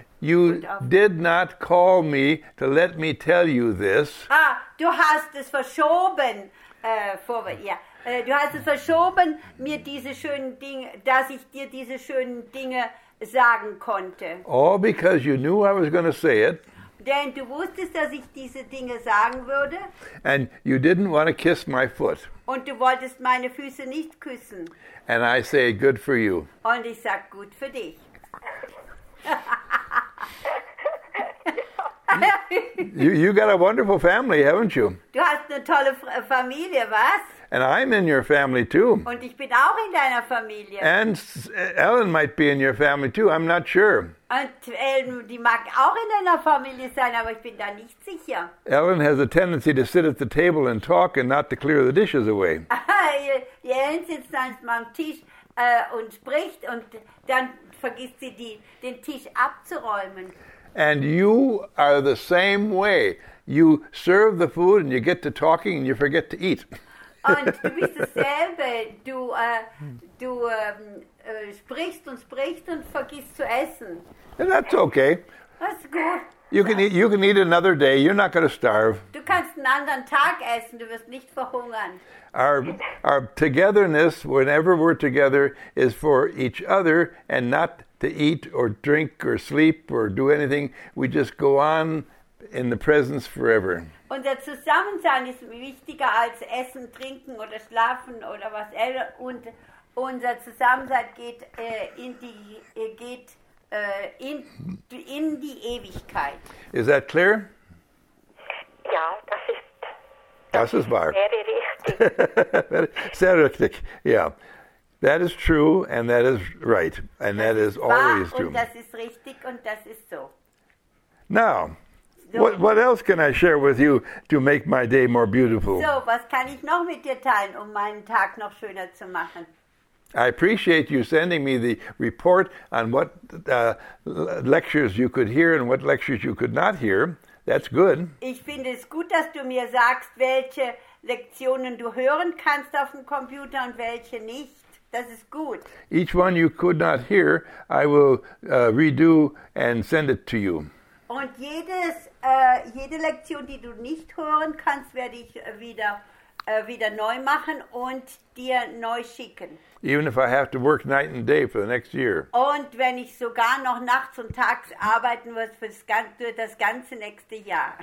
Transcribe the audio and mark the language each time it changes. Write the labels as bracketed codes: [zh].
[en] You did not call me to let me tell you this. [de] Ah, du hast es verschoben. Du hast es verschoben, mir diese schönen Dinge, dass ich dir diese schönen Dinge sagen konnte. [en] All because you knew I was going to say it. [de] Denn du wusstest, dass ich diese Dinge sagen würde. [en] And you didn't want to kiss my foot. [de] Und du wolltest meine Füße nicht küssen. [en] And I say good for you. [de] Und ich sag gut für dich. [en] You got a wonderful family, haven't you? [de] Du hast eine tolle Familie, was? [en] And I'm in your family too. [de] Und ich bin auch in deiner Familie. [en] And Ellen might be in your family too. I'm not sure. [de] Und Ellen, die mag auch in deiner Familie sein, aber ich bin da nicht sicher. [en] Ellen has a tendency to sit at the table and talk and not to clear the dishes away. [de] Ellen sitzt manchmal am Tisch und spricht und dann vergisst sie den Tisch abzuräumen. [en] And you are the same way. You serve the food and you get to talking and you forget to eat. [de] Und du bist dasselbe. Du sprichst und vergisst zu essen. [en] And that's okay. That's good. You can eat another day. You're not going to starve. [de] Du kannst einen anderen Tag essen. Du wirst nicht verhungern. [en] Our togetherness, whenever we're together, is for each other and not to eat or drink or sleep or do anything. We just go on in the presence forever. [de] Unser Zusammensein ist wichtiger als Essen, Trinken oder Schlafen oder was immer. Und unser Zusammensein geht in die Ewigkeit. [en] Is that clear? [de] Ja, das ist wahr. Sehr richtig. Sehr richtig. Yeah. [en] That is true and that is right and that is always true. [de] Und das ist richtig und das ist so. [en] Now, what else can I share with you to make my day more beautiful? [de] So, was kann ich noch mit dir teilen, um meinen Tag noch schöner zu machen? [en] I appreciate you sending me the report on what lectures you could hear and what lectures you could not hear. That's good. [de] Ich finde es gut, dass du mir sagst, welche Lektionen du hören kannst auf dem Computer und welche nicht. Das ist gut. [en] Each one you could not hear, I will redo and send it to you. [de] Und jede Lektion, die du nicht hören kannst, werde ich wieder neu machen und dir neu schicken. [en] Even if I have to work night and day for the next year. [de] Und wenn ich sogar noch nachts und tags arbeiten muss für das ganze nächste Jahr.